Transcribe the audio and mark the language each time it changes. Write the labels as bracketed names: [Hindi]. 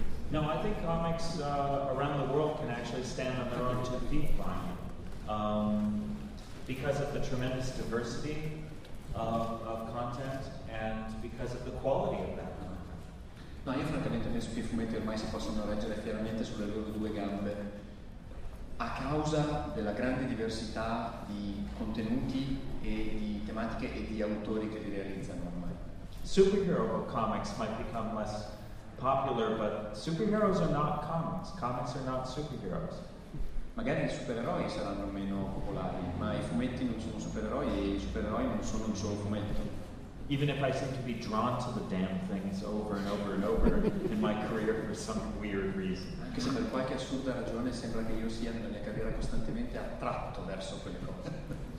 [English] No, I think comics around the world can actually stand on their own 2 feet fine. Because of the tremendous diversity of content and because of the quality of that content. [Italian] No, io francamente penso che i fumetti ormai si possano reggere fieramente sulle loro 2 gambe a causa della grande diversità di contenuti e di tematiche e di autori che li realizzano ormai. [English] Superhero comics might become less popular, but superheroes are not comics. Comics are not superheroes. [Italian] Magari i supereroi saranno meno popolari, ma i fumetti non sono supereroi e i supereroi non sono un solo fumetto. [English] Even if I seem to be drawn to the damn things over and over and over in my career for some weird reason. [Italian] Anche se per qualche assurda ragione sembra che io sia nella mia carriera costantemente attratto verso quelle cose.